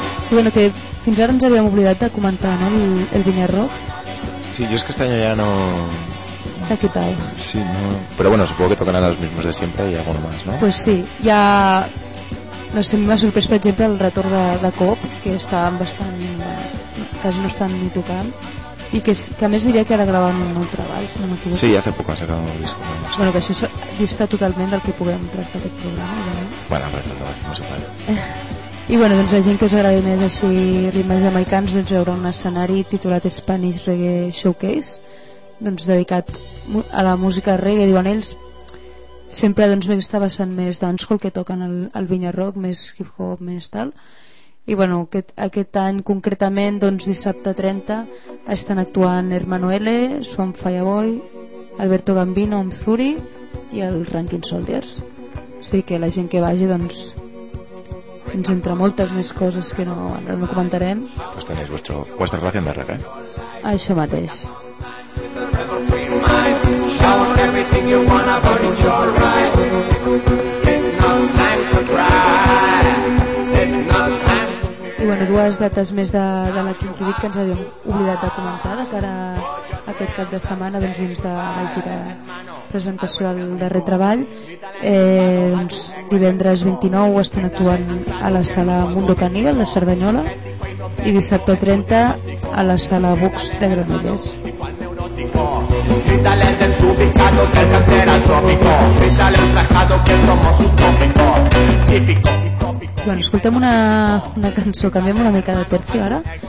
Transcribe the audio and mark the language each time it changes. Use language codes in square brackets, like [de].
[ca] I bueno, que fins ara ens havíem oblidat de comentar, no?, el Vinyarrock. Sí, jo és que estany allà no... [es] ¿Qué tal? Sí, no, pero bueno, supongo que tocarán los mismos de siempre y alguno más, ¿no? Pues sí, ya no sé, me ha [ca] sorprès, per exemple, el retorn de Cop, que estaven bastant, quasi no estan ni tocant, i que a més diria que ara graven un nou treball, si no m'equivoco. [es] Sí, hace poco han sacado el disco. No [ca] sé. Bueno, que això dista totalment del que puguem tractar aquest programa, ¿no? [es] Bueno, pero no decimos igual. [ca] I bueno, doncs la gent que us agradi més així ritmes jamaicans, doncs hi haurà un escenari titulat Spanish Reggae Showcase, doncs dedicat a la música reggae, diuen ells, sempre doncs està vessant més dancehall que toquen el Vinyarrock, més hip hop, més tal. I bueno, aquest any concretament, doncs dissabte 30 estan actuant Hermanuele, Swan Fireboy, Alberto Gambino, Mzuri i el Ranking Soldiers. O sigui que la gent que vagi, doncs ens entra moltes més coses que no comentarem. [es] Pues tenéis vuestra relació de reggae, eh? [ca] Això mateix. [en] Show them everything you wanna, but it's your right. This is no time to cry. This is no time to... [ca] I bueno, dues dates més de la Kinky Beat que ens havíem oblidat de comentar de cara a aquest cap de setmana, doncs dins de la gira presentació del darrer treball. Doncs divendres 29 estan actuant a la Sala Mundo Caníbal de Cerdanyola i dissabte 30 a la Sala Vox de Granollers. [es] Grítale al desubicado que el cantera tropico. Grítale al trajado que somos utópicos. Típico. [ca] Bueno, escoltem una cançó, canviem una mica de tercio ara.